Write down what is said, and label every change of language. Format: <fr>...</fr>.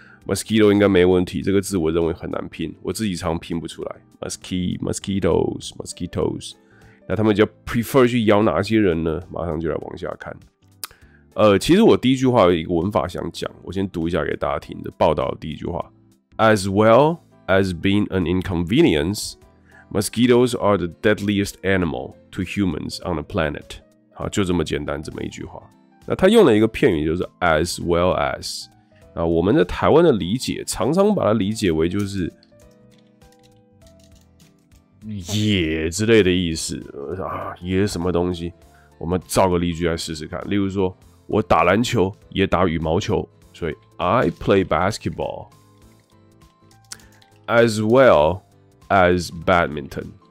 <zh>Mosquito 应该没问题，这个字我认为很难拼，我自己常拼不出来。 Mosquitoes。 那他们就 prefer 去咬哪些人呢？马上就来往下看。其实我第一句话有一个文法想讲，我先读一下给大家听的报道的第一句话。</zh> <en>As well as being an inconvenience, mosquitoes are the deadliest animal to humans on the planet.</en> <zh>好，就这么简单，这么一句话。那他用了一个片语，就是 as well as。那我们在台湾的理解，常常把它理解为就是也之类的意思啊，也什么东西？我们造个例句来试试看。例如说，我打篮球也打羽毛球，所以</zh> <en>I play basketball as well as badminton。</en>